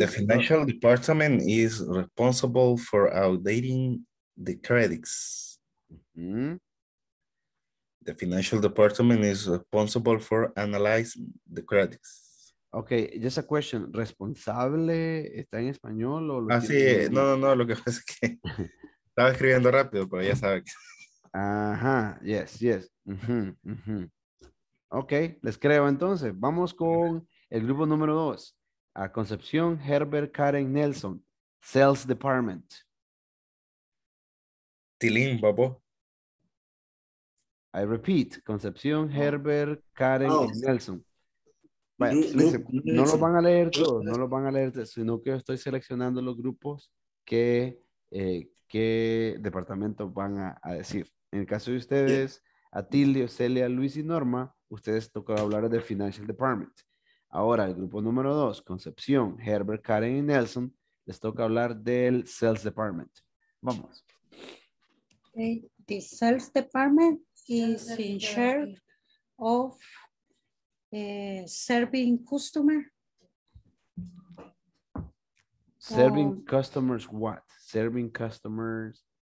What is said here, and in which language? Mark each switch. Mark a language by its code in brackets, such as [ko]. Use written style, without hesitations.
[en] The financial department is responsible for updating the credits. Mm-hmm. The financial department is responsible for analyzing the credits. Ok, just a question. [es] ¿Responsable está en español o lo ah, sí, no, no, no, lo que pasa es que estaba escribiendo rápido, pero ya sabe que. Ajá, [en] yes, yes. [es] Mm-hmm, mm-hmm. Ok, les creo entonces. Vamos con el grupo número 2. A Concepción, Herbert, Karen, Nelson, Sales Department. Tilín, babo. [en] I repeat, Concepción, Herbert, Karen, Nelson. [es] Bueno, no lo van a leer todos, no lo van a leer, sino que estoy seleccionando los grupos que qué departamento van a decir. En el caso de ustedes, Atilio, Celia, Luis y Norma, ustedes tocó hablar de Financial Department. Ahora, el grupo número 2, Concepción, Herbert, Karen y Nelson, les toca hablar del Sales Department. Vamos. [en] Okay. The Sales Department is in charge of serving customer. Serving customers what? Serving customers...